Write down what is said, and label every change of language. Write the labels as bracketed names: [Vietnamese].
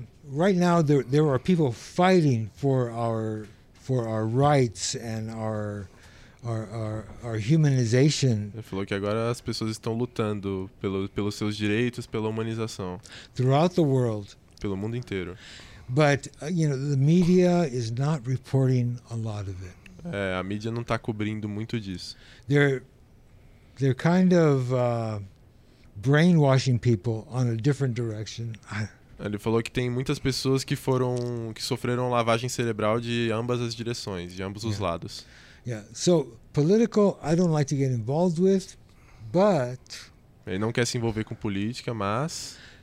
[English] Right now, there are people fighting for our rights and our humanization. [Portuguese] Ele falou que agora as pessoas estão lutando pelos seus direitos, pela humanização. [English] Throughout the world. [Portuguese] Pelo mundo inteiro. [English] But you know, the media is not reporting a lot of it. [Portuguese] A mídia não está cobrindo muito disso. [English] They're kind of brainwashing people on a different direction. [Portuguese] Ele falou que tem muitas pessoas que sofreram lavagem cerebral de ambas as direções, de ambos os lados. [English] Yeah. So, political, I don't like to get involved with, but [Portuguese] ele não quer se envolver com política, mas